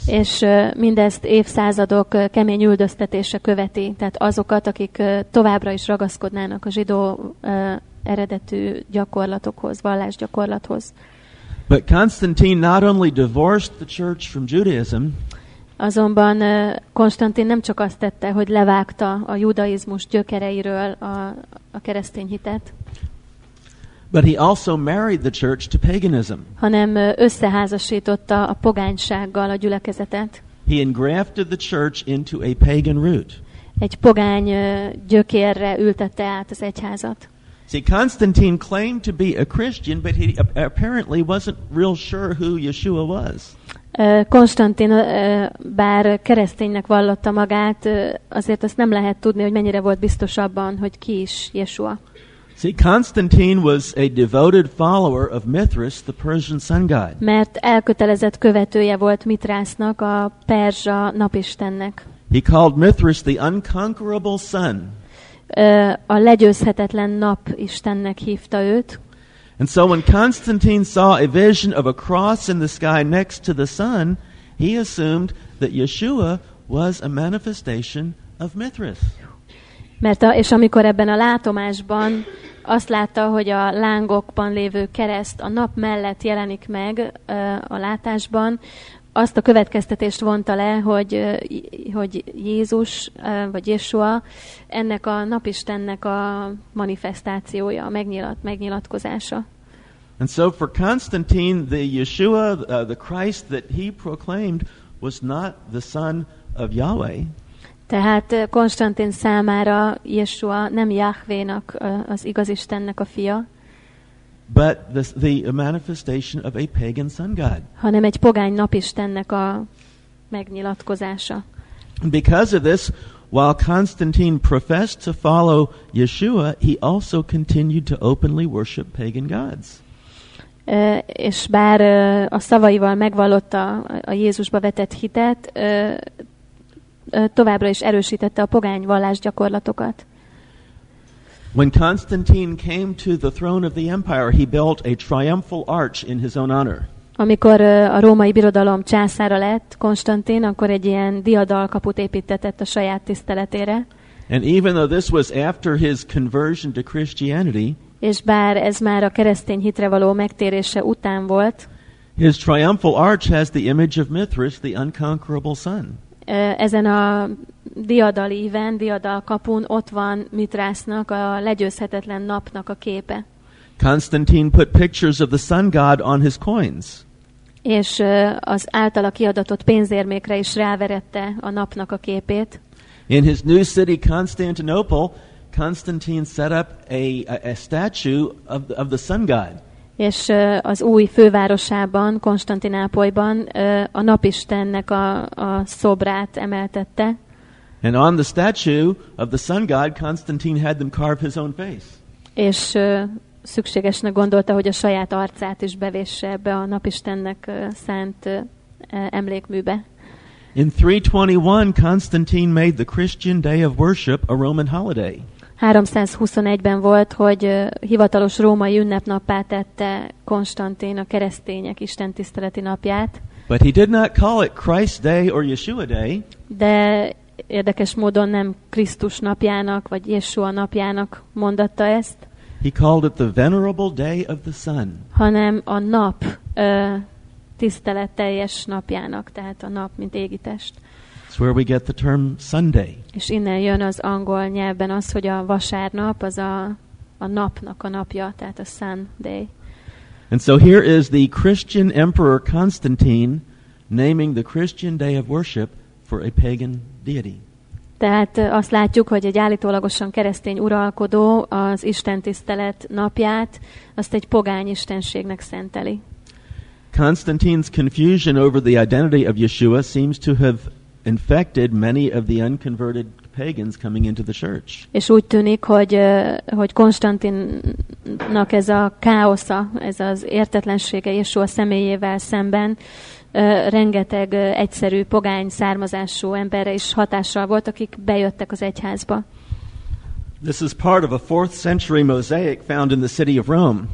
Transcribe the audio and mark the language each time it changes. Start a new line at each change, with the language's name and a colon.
Hungarian: És mindezt évszázadok kemény üldöztetése követi, tehát azokat, akik továbbra is ragaszkodnának a zsidó eredetű gyakorlatokhoz, vallásgyakorlathoz.
English: But Constantine not only divorced the church from Judaism.
Hungarian: Azonban Konstantin nem csak azt tette, hogy levágta a judaizmus gyökereiről a keresztény hitet.
English: But he also married the church to paganism.
Hungarian: Hanem összeházasította a pogánysággal a gyülekezetet.
English: He engrafted the church into a pagan root.
Hungarian: Egy pogány gyökérre ültette át az egyházat.
English: See, Constantine claimed to be a Christian, but he apparently wasn't real sure who Yeshua was.
Hungarian: Konstantin bár kereszténynek vallotta magát, azért azt nem lehet tudni, hogy mennyire volt biztos abban, hogy ki is Yeshua.
English: See, Constantine was a devoted follower of Mithras, the Persian sun god.
Hungarian: Mert elkötelezett követője volt Mithrasnak, a perzsa napistennek.
English: He called Mithras the unconquerable sun.
Hungarian: A legyőzhetetlen nap istennek hívta őt.
English: And so when Constantine saw a vision of a cross in the sky next to the sun, he assumed that Yeshua was a manifestation of Mithras.
Hungarian: És amikor ebben a látomásban azt látta, hogy a lángokban lévő kereszt a nap mellett jelenik meg a látásban, azt a következtetést vonta le, hogy Jézus vagy Jeshua ennek a napistennek a manifestációja, a megnyilatkozása.
English: And so for Constantine, the Yeshua, the Christ that he proclaimed was not the son of Yahweh.
Hungarian: Tehát Konstantin számára Jeshua nem Jahvénak, az igaz Istennek a fia,
English: but the manifestation of a pagan sun god.
Hungarian: Hanem egy pogány napistennek a megnyilatkozása.
English: And because of this, while Constantine professed to follow Yeshua, he also continued to openly worship pagan gods.
Hungarian: És bár a szavaival megvallotta a Jézusba vetett hitet, továbbra is erősítette a pogány vallás gyakorlatokat.
English: When Constantine came to the throne of the empire, he built a triumphal arch in his own honor.
Hungarian: Amikor a Római Birodalom császára lett Konstantin, akkor egy ilyen diadalkaput építetett a saját tiszteletére.
English: And even though this was after his conversion to Christianity,
Hungarian: és bár ez már a keresztény hitre való megtérése után volt,
English: his triumphal arch has the image of Mithras, the unconquerable sun.
Hungarian: Ezen a diadal kapun ott van Mithrasnak, a legyőzhetetlen napnak a képe.
English: Constantine put pictures of the sun god on his coins.
Hungarian: És az általa kiadatott pénzérmékre is ráverette a napnak a képét.
English: In his new city Constantinople, Constantine set up a statue of the sun god.
Hungarian: És az új fővárosában, Konstantinápolyban a napistennek a szobrát emeltette.
English: And on the statue of the sun god, Constantine had them carve his own face.
Hungarian: És szükségesnek gondolta, hogy a saját arcát is bevésse ebbe a napistennek szánt emlékműbe.
English: In 321, Constantine made the Christian day of worship a Roman holiday.
Hungarian: 321-ben volt, hogy hivatalos római ünnepnappá tette Konstantin a keresztények istentiszteleti napját.
English: But he did not call it Christ Day or Yeshua Day.
Hungarian: De érdekes módon nem Krisztus napjának vagy Yeshua napjának mondatta ezt.
English: He called it the venerable day of the sun.
Hungarian: Hanem a nap tisztelet teljes napjának, tehát a nap mint égitest.
English: Where we get the term Sunday.
Hungarian: És innen jön az angol nyelvben az, hogy a vasárnap az a napnak a napja, tehát a Sunday.
English: And so here is the Christian emperor Constantine naming the Christian day of worship for a pagan deity.
Hungarian: Tehát azt látjuk, hogy egy állítólagosan keresztény uralkodó az istentisztelet napját azt egy pogány istenségnek szenteli.
English: Constantine's confusion over the identity of Yeshua seems to have infected many of the unconverted pagans coming into the church.
Hungarian: És úgy tűnik, hogy Konstantinnak ez a káosza, ez az értetlensége Jeshua személyével szemben rengeteg egyszerű pogány származású emberre is hatással volt, akik bejöttek az egyházba.
English: This is part of a 4th century mosaic found in the city of Rome.